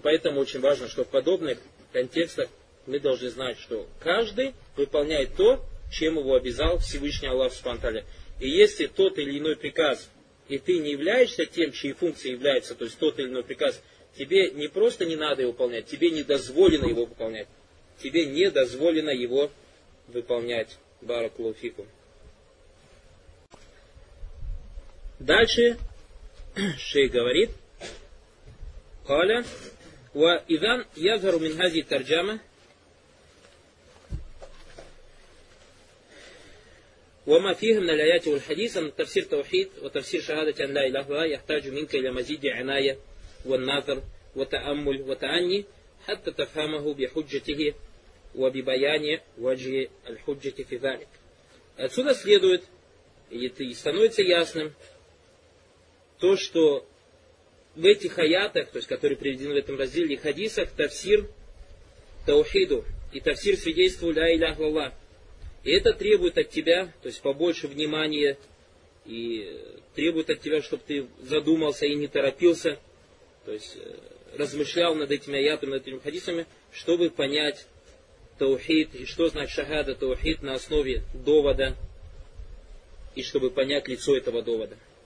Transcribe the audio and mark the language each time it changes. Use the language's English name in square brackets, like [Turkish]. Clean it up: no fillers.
[Russian] Поэтому очень важно, что в подобных контекстах мы должны знать, что каждый выполняет то, чем его обязал Всевышний Аллах субхана тааля. И если тот или иной приказ, и ты не являешься тем, чьей функцией является, то есть тот или иной приказ, тебе не просто не надо его выполнять, тебе не дозволено его выполнять. Тебе не дозволено его выполнять. [Arabic] Баракуллаху фикум. [Russian] Дальше шейх говорит, [Arabic] каля, ва идан язгару мин хази тарджама, وَمَا فِيهِ مِنَ الْآيَاتِ وَالْحَدِيثِ مِنْ تَفْسِيرِ التَّوْحِيدِ وَتَفْسِيرِ شَهَادَةِ أَنْ لَا إِلَهَ إِلَّا اللَّهُ يَحْتَاجُ مِنْكَ إِلَى مَزِيدِ عِنَايَةٍ وَالنَّظَرِ وَتَأَمُّلِ وَتَأَنِّي حَتَّى تَفْهَمَهُ بِحُجَّتِهِ وَبِبَيَانِ وَجْهِ الْحُجَّةِ فِي ذَلِكَ. [Russian] Отсюда следует, и становится ясным, то, что в этих аятах, то есть которые приведены в этом разделе и хадисах, тафсир таухиду и тафсир свидетельству ля иляха иллаллах. И это требует от тебя, то есть побольше внимания, и требует от тебя, чтобы ты задумался и не торопился, то есть размышлял над этими аятами, над этими хадисами, чтобы понять таухид, и что значит шахада таухид на основе довода, и чтобы понять лицо этого довода.